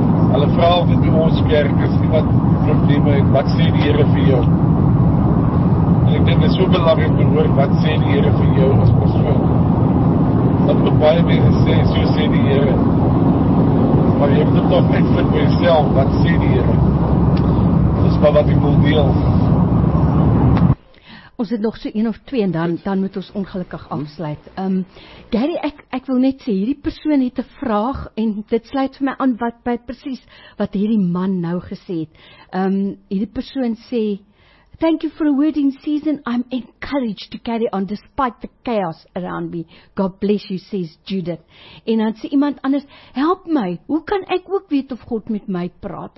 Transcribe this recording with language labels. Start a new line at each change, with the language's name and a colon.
Afrikaans: Hulle vraag wat in ons kerk is, nie wat probleme het, wat sê die Here vir jou? En ek dink dit is so belangrijk om hoor, wat sê die Here vir jou as persoon? Dat baie mense sê, so sê die Here. maar jy moet toch net vir myself, wat sê die Here? Dis maar wat jy wil deel. Ons het nog so een of twee en dan moet ons ongelukkig afsluit. Gary, ek wil net sê, hierdie persoon het 'n vraag en dit sluit vir my aan wat by precies wat hierdie man nou gesê het.
English: Hierdie persoon sê, thank you for a word in season. I'm encouraged to carry on despite the chaos around me. God bless you, says Judith.
Afrikaans: En dan sê iemand anders, help my, hoe kan ek ook weet of God met my praat?